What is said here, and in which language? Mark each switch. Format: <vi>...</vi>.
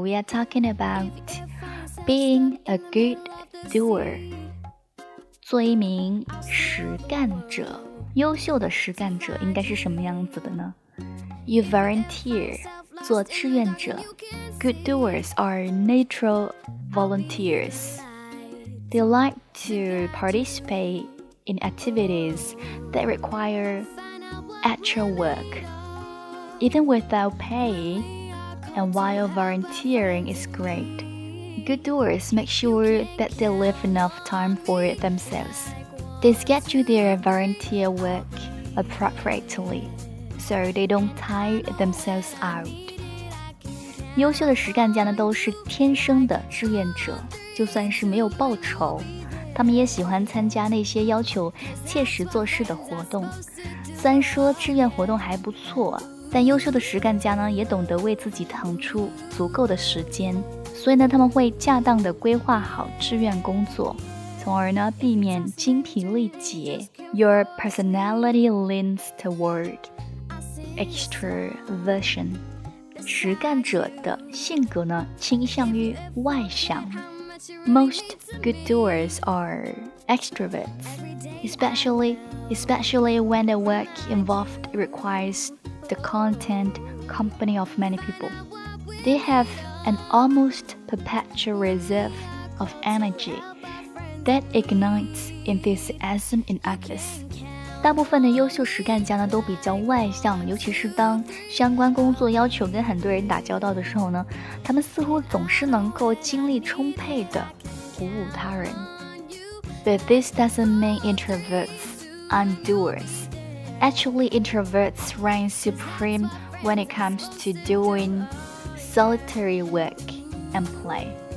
<en>We are talking about being a good doer.</en> <zh>做一名实干者，优秀的实干者应该是什么样子的呢？</zh> <en>You volunteer.</en> <zh>做志愿者。</zh> <en>Good doers are natural volunteers. They like to participate in activities that require actual work. Even without pay and while volunteering is great, good doers make sure that they leave enough time for it themselves. They schedule their volunteer work appropriately, so they don't tire themselves out.</en> <zh>优秀的实干家呢都是天生的志愿者，就算是没有报酬，他们也喜欢参加那些要求切实做事的活动。虽然说志愿活动还不错，但优秀的实干家呢也懂得为自己腾出足够的时间，所以呢他们会恰当的规划好志愿工作，从而呢避免精疲力竭。</zh> <en>Your personality leans toward extroversion.</en> <zh>实干者的性格呢倾向于外向。</zh> <en>Most good doers are extroverts, especially when the work involved requiresthe content company of many people. They have an almost perpetual reserve of energy that ignites enthusiasm in others.</en> <zh>大部分的优秀实干家呢都比较外向，尤其是当相关工作要求跟很多人打交道的时候呢，他们似乎总是能够精力充沛地鼓舞他人。</zh> <en>But this doesn't mean introverts aren't doers. Actually, introverts reign supreme when it comes to doing solitary work and play.</en>